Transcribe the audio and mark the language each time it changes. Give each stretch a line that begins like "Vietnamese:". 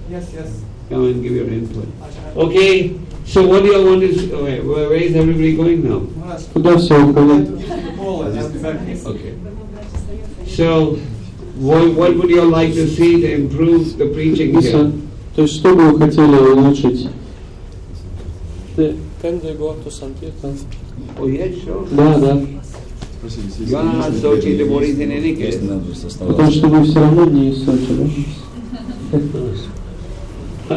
English: Yes, yes. Come and give your input. Okay, so what do you want is, where is everybody going now? Okay. So, what would you like to see to improve the preaching here?
Russian: То есть, что бы вы хотели улучшить?
English: Can they go to Sankirtan? Oh, yeah, sure.
Russian: Да, да.
English: You are not Sochi devotees in any case.
Russian: Потому что вы все равно не из Сочи, да?